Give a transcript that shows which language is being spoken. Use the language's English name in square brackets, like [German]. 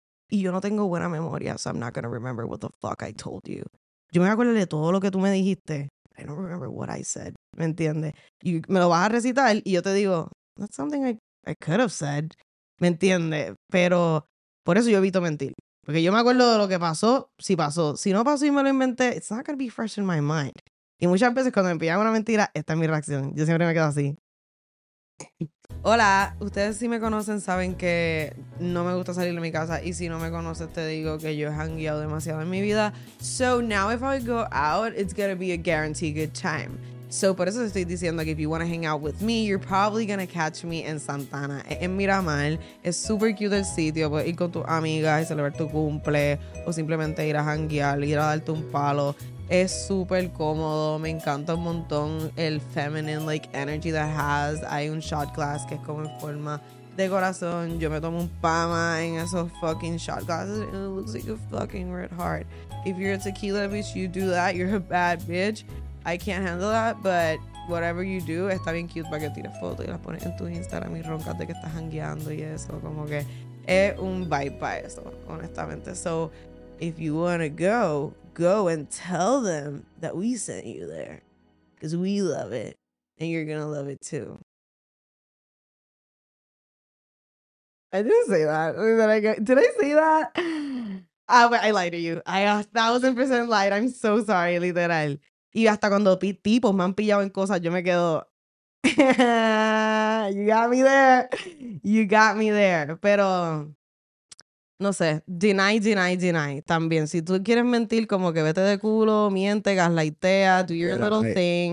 [Spanish] Y yo no tengo buena memoria, [English] so I'm not gonna remember what the fuck I told you. [Spanish] Yo me acuerdo de todo lo que tú me dijiste. [English] I don't remember what I said. [Spanish] ¿Me entiendes? Y me lo vas a recitar y yo te digo, [English] that's something I could have said. [Spanish] ¿Me entiendes? Pero por eso yo evito mentir. Porque yo me acuerdo de lo que pasó, si pasó. Si no pasó y me lo inventé, [English] it's not going to be fresh in my mind. [Spanish] Y muchas veces cuando me pillan una mentira, esta es mi reacción. Yo siempre me quedo así. Hola, ustedes si me conocen saben que no me gusta salir de mi casa. Y si no me conoces te digo que yo he hangueado demasiado en mi vida. [English] So now if I go out, it's gonna be a guaranteed good time. So [Spanish] por eso estoy diciendo que [English] if you wanna hang out with me, you're probably gonna catch me in Santana, en Miramar. [Spanish] Es super cute el sitio, puedes ir con tus amigas y celebrar tu cumple, o simplemente ir a hanguear, ir a darte un palo. Es súper cómodo, me encanta un montón el [English] feminine like energy that has. [Spanish] Hay un shot glass que es como en forma de corazón. Yo me tomo un pama en esos [English] fucking shot glasses and it looks like a fucking red heart. If you're a tequila bitch, you do that, you're a bad bitch. I can't handle that, but whatever you do, [Spanish] está bien cute para que tires fotos y las pones en tu Instagram y roncas de que estás jangueando y eso. Como que es un vibe para eso, honestamente. [English] So, if you wanna go... Go and tell them that we sent you there. Because we love it. And you're going to love it too. I didn't say that. Did I say that? I lied to you. I 1000% lied. I'm so sorry, literal. [Spanish] Y hasta cuando tipos me han pillado en cosas, yo me quedo... [English] You got me there. You got me there. [Spanish] Pero, no sé. [English] Deny, deny, deny. [Spanish] También, si tú quieres mentir, como que vete de culo, miente, gaslightea, [English] do your little thing.